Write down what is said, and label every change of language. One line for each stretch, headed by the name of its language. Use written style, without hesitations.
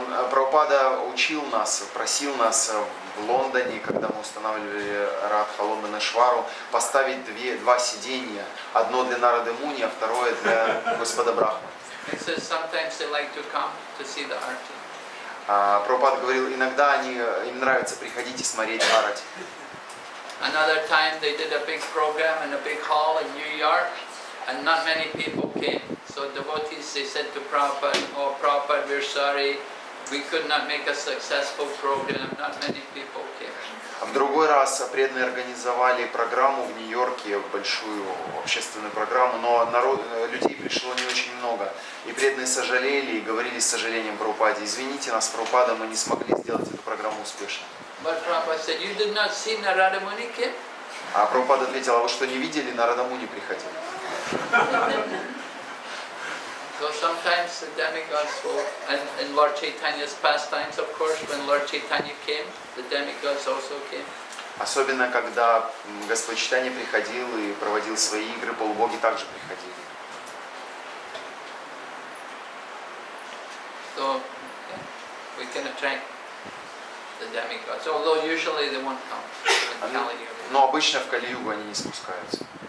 Russian: Прабхупада учил нас, просил нас в Лондоне, когда мы устанавливали Радха Ланданишвару, поставить два сиденья, одно для Нарады Муни, а второе для Господа Брахма.
English: He says sometimes they like to come to see the arti.
Russian: Прабхупад говорил, иногда они, им нравится приходить и смотреть арати.
English: Another time they did a big program in a big hall in New York, and not many people came. So devotees, they said to Prabhupada, oh Prabhupada, we're sorry, we could not make a successful program, not many people came.
Russian: В другой раз преданные организовали программу в Нью-Йорке, большую общественную программу, но народ, людей пришло не очень много. И преданные сожалели и говорили с сожалением Прабхупаде, извините нас, Прабхупада, мы не смогли сделать эту программу успешной. А Прабхупада ответил, а вы что, не видели, Нарада Муни приходил?
English: So sometimes the demigods will, and Lord Chaitanya's pastimes, of course, when Lord Chaitanya came, the demigods also came.
Russian: Особенно когда Господь Чайтанья приходил и проводил свои игры, полубоги также приходили.
English: So we can attract the demigods, although usually they won't come in Kali-Yuga.
Russian: Но обычно в Кали-Югу они не спускаются.